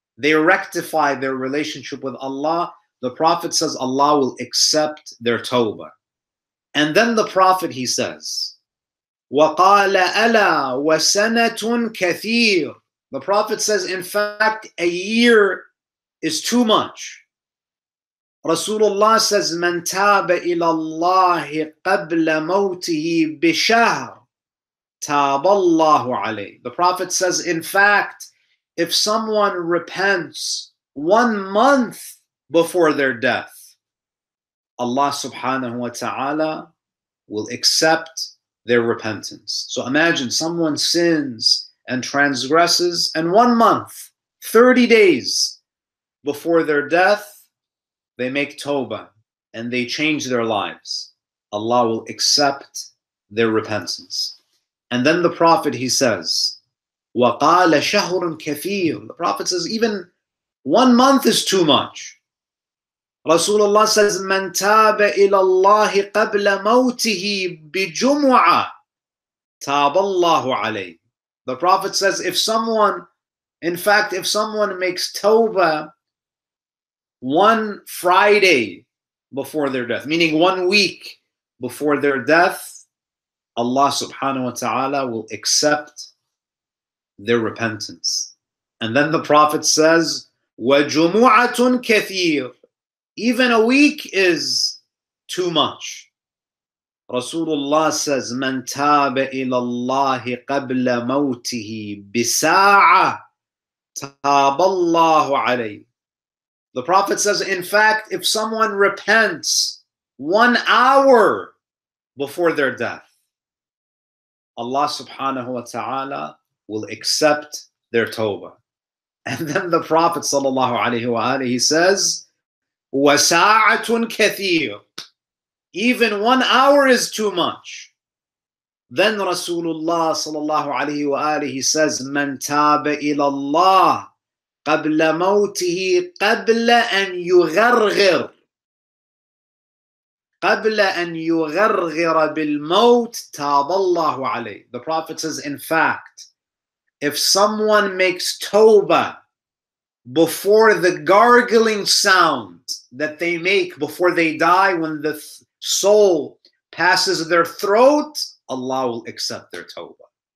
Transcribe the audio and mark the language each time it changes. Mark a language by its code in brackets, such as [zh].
[en] They rectify their relationship with Allah. The Prophet says Allah will accept their tawbah. And then the Prophet, he says, [ar] وَقَالَ أَلَا وَسَنَةٌ كَثِيرٌ. [en] The Prophet says, in fact, a year is too much. Rasulullah says, [ar] مَنْ تَابَ إِلَى اللَّهِ قَبْلَ مَوْتِهِ بِشَهْرٍ تَابَ اللَّهُ عَلَيْهِ. [en] The Prophet says, in fact, if someone repents 1 month before their death, Allah subhanahu wa ta'ala will accept their repentance. So imagine someone sins and transgresses, and 1 month, 30 days before their death, they make tawbah and they change their lives. Allah will accept their repentance. And then the Prophet, he says, [ar] وَقَالَ شَهْرٌ كَثِيرٌ. [en] The Prophet says, even 1 month is too much. Rasulullah says, [ar] مَنْ تَابَ إِلَى اللَّهِ قَبْلَ مَوْتِهِ بِجُمُعَةٍ تَابَ اللَّهُ عَلَيْهِ. [en] The Prophet says, if someone makes tawbah 1 Friday before their death, meaning 1 week before their death, Allah subhanahu wa ta'ala will accept their repentance. And then the Prophet says, [ar] وَجُمُعَةٌ كَثِيرٌ. [en] Even a week is too much. Rasulullah says, [ar] مَنْ تَابَ إِلَى اللَّهِ قَبْلَ مَوْتِهِ بِسَاعَةٍ تَابَ اللَّهُ عَلَيْهِ. [en] The Prophet says, in fact, if someone repents 1 hour before their death, Allah subhanahu wa ta'ala will accept their tawbah. And then the Prophet sallallahu alayhi wa alihi says, [ar] وَسَاعَةٌ كَثِيرٌ. [en] Even 1 hour is too much. Then Rasulullah sallallahu alayhi wa alihi says, [ar] مَنْ تَابَ إِلَى اللَّهِ قَبْلَ مَوْتِهِ قَبْلَ أَنْ يُغَرْغِرْ قَبْلَ أَنْ يُغَرْغِرَ بِالْمَوْتِ تَابَ اللَّهُ عَلَيْهِ. [en] The Prophet says, in fact, if someone makes tawbah before the gargling sound that they make before they die, when the soul passes their throat, Allah will accept their tawbah.